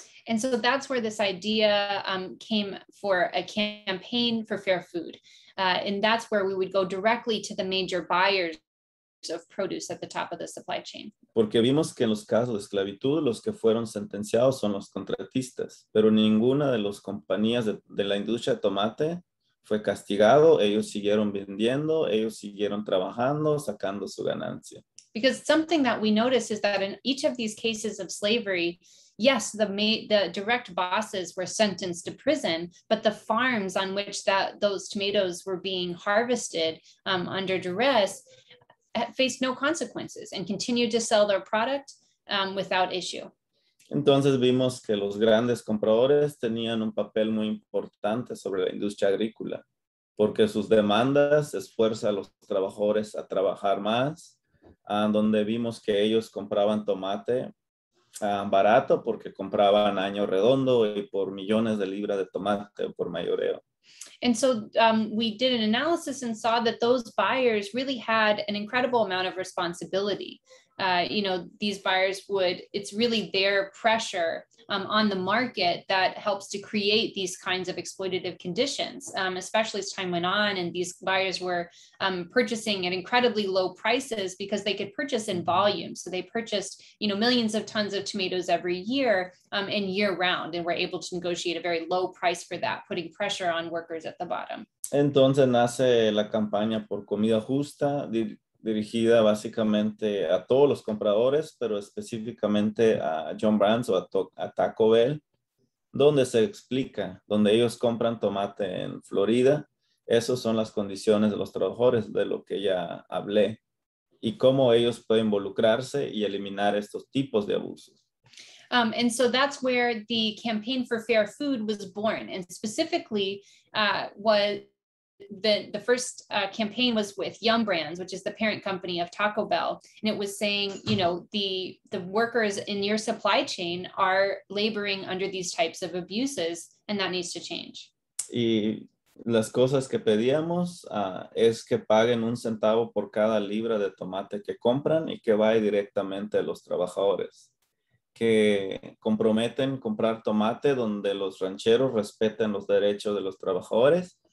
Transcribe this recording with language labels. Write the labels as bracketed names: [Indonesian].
[English] And so that's where this idea came for a campaign for fair food. And that's where we would go directly to the major buyers of produce at the top of the supply chain. [Spanish] Porque vimos que en los casos de esclavitud, los que fueron sentenciados son los contratistas, pero ninguna de las compañías de la industria de tomate fue castigado. Ellos siguieron vendiendo, ellos siguieron trabajando, sacando su ganancia. [English] Because something that we notice is that in each of these cases of slavery, yes, the direct bosses were sentenced to prison, but the farms on which those tomatoes were being harvested under duress faced no consequences and continued to sell their product without issue. [Spanish] Entonces vimos que los grandes compradores tenían un papel muy importante sobre la industria agrícola. porque sus demandas esfuerzan a los trabajadores a trabajar más, donde vimos que ellos compraban tomate barato porque compraban año redondo y por millones de libras de tomate por mayoreo. [English] And so we did an analysis and saw that those buyers really had an incredible amount of responsibility. You know, these buyers would, it's really their pressure on the market that helps to create these kinds of exploitative conditions, especially as time went on and these buyers were purchasing at incredibly low prices because they could purchase in volume. So they purchased, you know, millions of tons of tomatoes every year and year round, and were able to negotiate a very low price for that, putting pressure on workers at the bottom. [Spanish] Entonces nace la campaña por comida justa, dirigida básicamente a todos los compradores, pero específicamente a John Brands o a Taco Bell, donde se explica, donde ellos compran tomate en Florida. Esas son las condiciones de los trabajadores, de lo que ya hablé, y cómo ellos pueden involucrarse y eliminar estos tipos de abusos. [English] And so that's where the campaign for fair food was born, and specifically The first campaign was with Yum Brands, which is the parent company of Taco Bell. And it was saying, you know, the workers in your supply chain are laboring under these types of abuses, and that needs to change. [Spanish] Y las cosas que pedíamos es que paguen un centavo por cada libra de tomate que compran y que vaya directamente a los trabajadores. Que comprometen comprar tomate donde los rancheros respeten los derechos de los trabajadores.